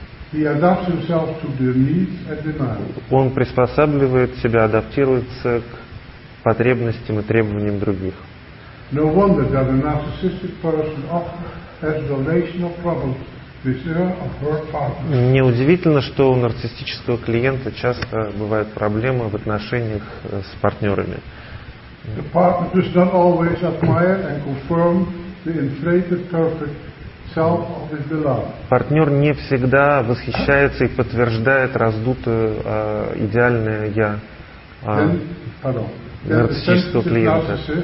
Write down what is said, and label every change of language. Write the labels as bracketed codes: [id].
[en] He adapts himself to their needs and demands. [ru] Он приспосабливает себя, адаптируется к потребностям и требованиям других. [en] No wonder that a narcissistic person often has relational problems with her or her partner. [ru] Неудивительно, что у нарциссического клиента часто бывают проблемы в отношениях с партнерами. [en] The partner does not always admire and confirm the inflated perfect self of his beloved. [ru] Партнер не всегда восхищается и подтверждает раздутое идеальное я. Нарциссического клиента.